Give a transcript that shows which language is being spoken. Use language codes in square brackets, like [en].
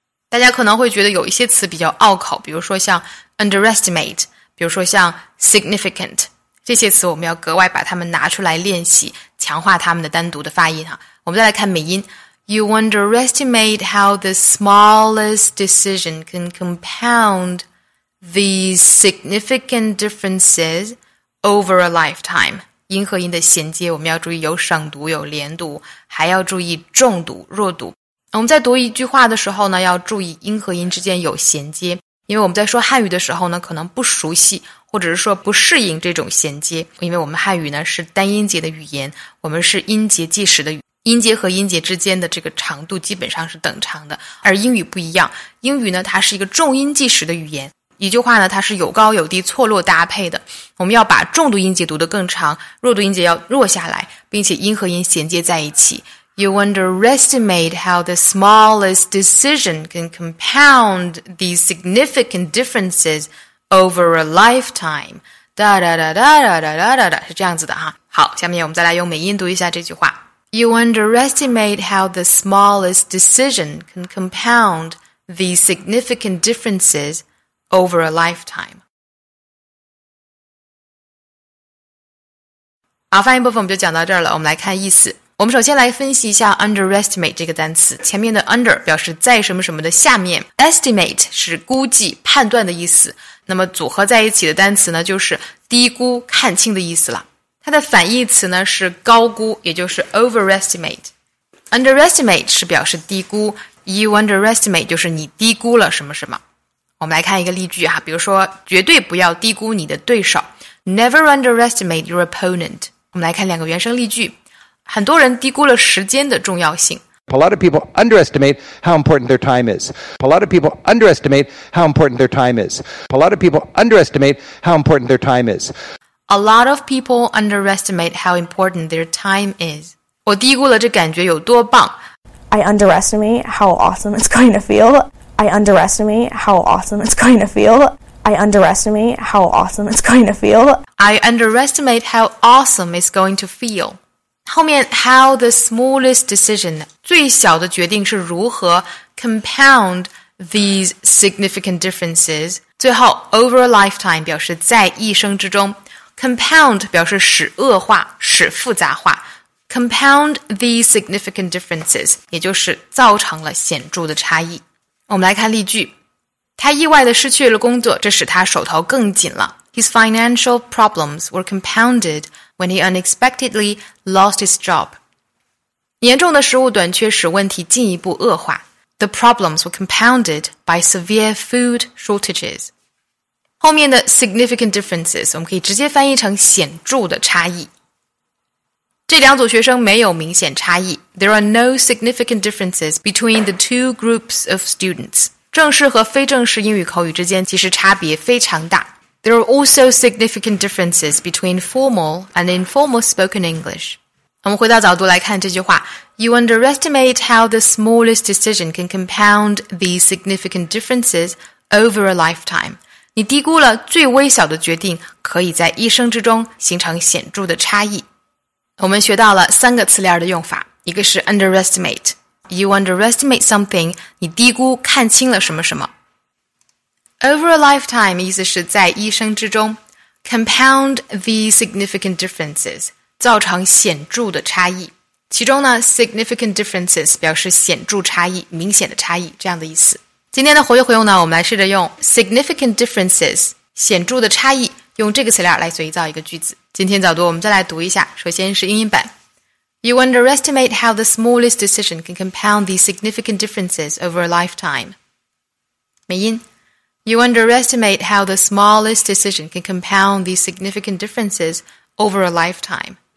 [zh] 大家可能会觉得有一些词比较拗口，比如说像 underestimate, 比如说像 significant, 这些词我们要格外把它们拿出来练习，强化它们的单独的发音哈。我们再来看美音。 [en] You underestimate how the smallest decision can compound the significant differences over a lifetime. [zh] 音和音的衔接我们要注意有省读有连读，还要注意重读弱读。我们在读一句话的时候呢，要注意音和音之间有衔接，因为我们在说汉语的时候呢，可能不熟悉或者是说不适应这种衔接，因为我们汉语呢是单音节的语言，我们是音节计时的语言，音节和音节之间的这个长度基本上是等长的，而英语不一样。英语呢，它是一个重音计时的语言，一句话呢，它是有高有低错落搭配的。我们要把重读音节读得更长，弱读音节要弱下来，并且音和音衔接在一起。 [en] You underestimate how the smallest decision can compound these significant differences over a lifetime. Da da da da da da da da da, [zh] 是这样子的哈。好，下面我们再来用美音读一下这句话。 [en] You underestimate how the smallest decision can compound these significant differences over a lifetime. [zh] 好，发音部分我们就讲到这儿了，我们来看意思。我们首先来分析一下 underestimate 这个单词，前面的 under 表示在什么什么的下面， estimate 是估计判断的意思，那么组合在一起的单词呢就是低估看轻的意思了。它的反义词呢是高估，也就是 overestimate。 underestimate 是表示低估， you underestimate 就是你低估了什么什么。我们来看一个例句哈，比如说绝对不要低估你的对手， [en] never underestimate your opponent。 [zh] 我们来看两个原声例句。很多人低估了时间的重要性。 [en] A lot of people underestimate how important their time is. A lot of people underestimate how important their time is. A lot of people underestimate how important their time is. A lot of people underestimate how important their time is. [zh] 我低估了这感觉有多棒。 [en] I underestimate how awesome it's going to feel. I underestimate how awesome it's going to feel. I underestimate how awesome it's going to feel. I underestimate how awesome it's going to feel. [zh] 后面 [en] how the smallest decision [zh] 最小的决定是如何 [en] compound these significant differences [zh] 最后 [en] over a lifetime [zh] 表示在一生之中 compound 表示使恶化使复杂化 compound these significant differences 也就是造成了显著的差异。我们来看例句，他意外地失去了工作，这使他手头更紧了。 [en] His financial problems were compoundedWhen he unexpectedly lost his job. [zh] 严重的食物短缺使问题进一步恶化。 [en] The problems were compounded by severe food shortages. [zh] 后面的 significant differences 我们可以直接翻译成显著的差异。这两组学生没有明显差异。 [en] There are no significant differences between the two groups of students. [zh] 正式和非正式英语口语之间其实差别非常大。 [en] There are also significant differences between formal and informal spoken English. [zh] 我们回到角度来看这句话。 [en] You underestimate how the smallest decision can compound these significant differences over a lifetime. [zh] 你低估了最微小的决定可以在一生之中形成显著的差异。我们学到了三个词链的用法。一个是 underestimate. [en] You underestimate something, [zh] 你低估看清了什么什么。 [en] Over a lifetime [zh] 意思是在一生之中 [en] compound the significant differences [zh] 造成显著的差异，其中呢 significant differences 表示显著差异明显的差异这样的意思。今天的活跃活用呢，我们来试着用 significant differences 显著的差异用这个词链来随意造一个句子。今天早读我们再来读一下，首先是英音版。 [en] You underestimate how the smallest decision can compound the significant differences over a lifetime. [zh] 美音， [en] You underestimate how the smallest decision can compound these significant differences over a lifetime.